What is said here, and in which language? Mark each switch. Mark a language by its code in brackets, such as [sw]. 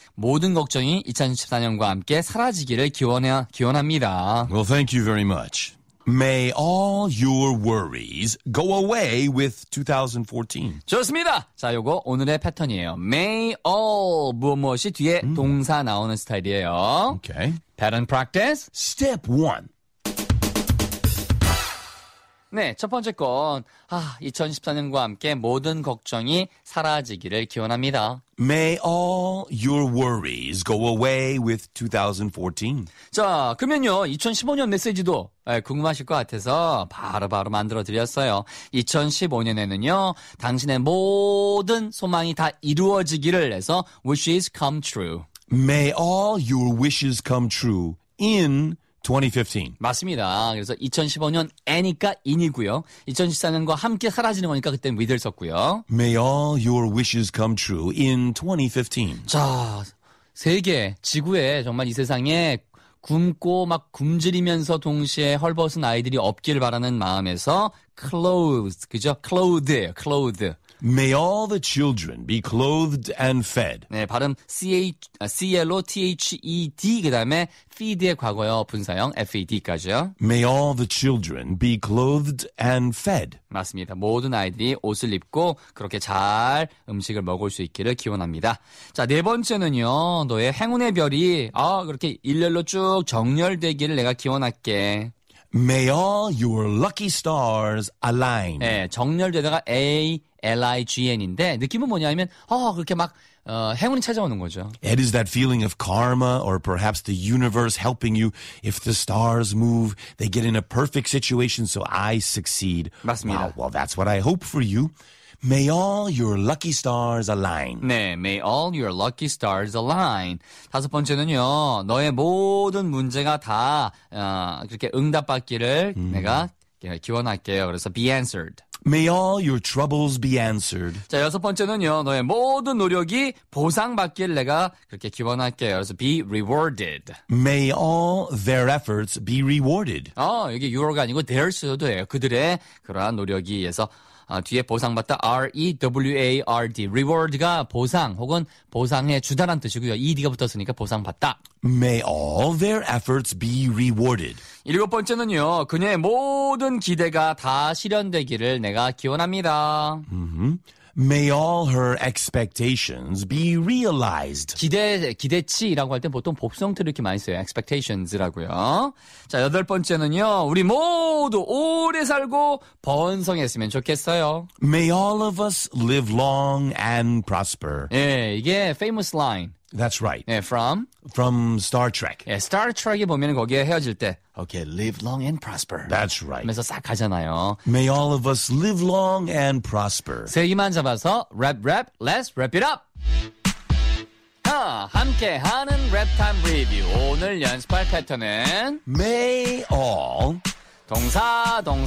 [ko] 모든 걱정이 2014년과 함께 사라지기를 기원합니다. [en] Well, thank you very much. May all your worries go away with 2014. [ko] 좋습니다. 자, 요거 오늘의 패턴이에요. [en] May all [ko] 무엇무엇이 뒤에 동사 나오는 스타일이에요. [en] Okay. Pattern practice. Step 1. [ko] 네, 첫 번째 건 2014년과 함께 모든 걱정이 사라지기를 기원합니다. [en] May all your worries go away with 2014. [ko] 자, 그러면요, 2015년 메시지도 궁금하실 것 같아서 바로 만들어드렸어요. 2015년에는요, 당신의 모든 소망이 다 이루어지기를 해서 [en] wishes come true. May all your wishes come true in 2015. [ko] 맞습니다. 그래서 2015년 N이니까 N이고요. 2014년과 함께 사라지는 거니까 그때는 with를 썼고요. [en] May all your wishes come true in 2015. [ko] 자, 세계, 지구에 정말 이 세상에 굶고 막 굶주리면서 동시에 헐벗은 아이들이 없길 바라는 마음에서 clothed, 그죠? clothed예요. clothed. [en] May all the children be clothed and fed. [ko] 네, 발음 C-L-O-T-H-E-D, 그 다음에 feed의 과거요, 분사형 F-E-D까지요. [en] May all the children be clothed and fed. [ko] 맞습니다. 모든 아이들이 옷을 입고 그렇게 잘 음식을 먹을 수 있기를 기원합니다. 자, 네 번째는요, 너의 행운의 별이 그렇게 일렬로 쭉 정렬되기를 내가 기원할게. [en] May all your lucky stars align. [ko] 네, 정렬되다가 A, L-I-G-N인데 느낌은 뭐냐면 그렇게 막 행운이 찾아오는 거죠. [en] It is that feeling of karma or perhaps the universe helping you. If the stars move, they get in a perfect situation so I succeed. [ko] 맞습니다. [en] Wow, well, that's what I hope for you. May all your lucky stars align. 네, may all your lucky stars align. [ko] 다섯 번째는요, 너의 모든 문제가 다 그렇게 응답받기를 내가 기원할게요. 그래서 be answered. [en] May all your troubles be answered. [ko] 자, 여섯 번째는요, 너의 모든 노력이 보상받기를 내가 그렇게 기원할게요. 그래서 be rewarded. [en] May all their efforts be rewarded. [ko] 여기 your가 아니고 their 써도 돼요. 그들의 그러한 노력이 해서 뒤에 보상받다 R-E-W-A-R-D. Reward가 보상 혹은 보상해 주다란 뜻이고요. ED가 붙었으니까 보상받다. [en] May all their efforts be rewarded. [ko] 일곱 번째는요. 그녀의 모든 기대가 다 실현되기를 내가 기원합니다. Mm-hmm. [en] May all her expectations be realized. [ko] 기대치라고 할 때 보통 복수형태를 이렇게 많이 써요. expectations라고요. 자, 여덟 번째는요. 우리 모두 오래 살고 번성했으면 좋겠어요. [en] May all of us live long and prosper. [ko] 예, 이게 [en] famous line. That's right. 예, from? From Star Trek. [ko] 예, Star Trek에 보면 거기에 헤어질 때 [en] Okay, live long and prosper. That's right. [ko] 하면서 싹 하잖아요. [en] May all of us live long and prosper. [ko] 세기만 잡아서 랩, [en] let's wrap it up. [ko] 함께하는 랩타임 리뷰. 오늘 연습할 패턴은 [en] May all [ko] 동사.